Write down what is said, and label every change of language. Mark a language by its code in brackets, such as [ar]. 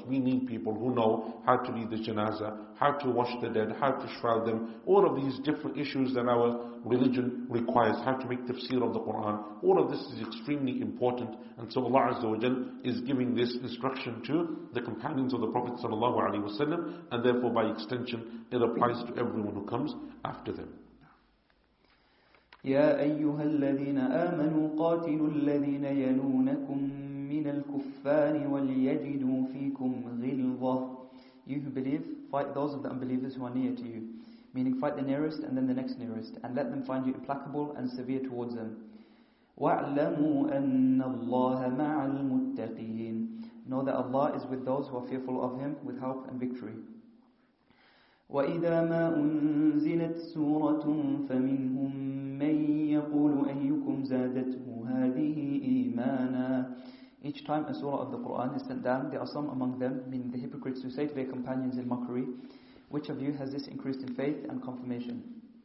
[en] We need people who know how to lead the janazah, how to wash the dead, how to shroud them, all of these different issues that our religion requires, how to make tafsir of the Quran. All of this is extremely important. And so Allah Azza wa Jal is giving this instruction to the companions of the Prophet sallallahu alaihi wasallam, and therefore by extension it applies to everyone who comes after them. [ar] يا أيها الذين آمنوا قاتلوا الذين يلونكم من الكفار وليجدوا فيكم غلظة. [en] You who believe, fight those of the unbelievers who are near to you, meaning fight the nearest and then the next nearest, and let them find you implacable and severe towards them. [ar] واعلموا أن الله مع المتقين. [en] Know that Allah is with those who are fearful of Him, with help and victory. [ar] وَإِذَا مَا أُنزِلَتْ سُورَةٌ فَمِنْهُمْ مَنْ يَقُولُ أَيُّكُمْ زَادَتْهُ هَذِهِ إِيمَانًا. [en] Each time a surah of the Qur'an is sent down, there are some among them, meaning the hypocrites, who say to their companions in mockery, which of you has this increased in faith and confirmation?